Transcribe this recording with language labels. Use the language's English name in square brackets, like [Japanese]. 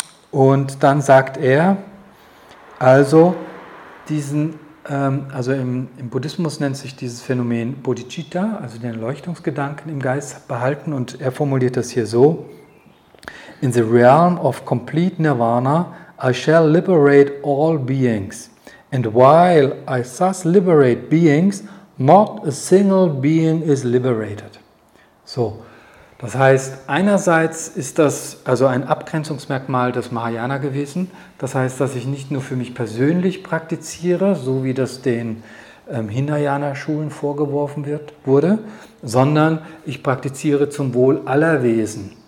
[German] Und dann sagt er, also diesen, also im Buddhismus nennt sich dieses Phänomen Bodhicitta, also den Erleuchtungsgedanken im Geist behalten, und er formuliert das hier so: [English] In the realm of complete Nirvana, I shall liberate all beings. And while I thus liberate beings, not a single being is liberated. [German] So, das heißt, einerseits ist das also ein Abgrenzungsmerkmal des Mahayana gewesen. Das heißt, dass ich nicht nur für mich persönlich praktiziere, so wie das den Hinayana-Schulen vorgeworfen wurde, sondern ich praktiziere zum Wohl aller Wesen.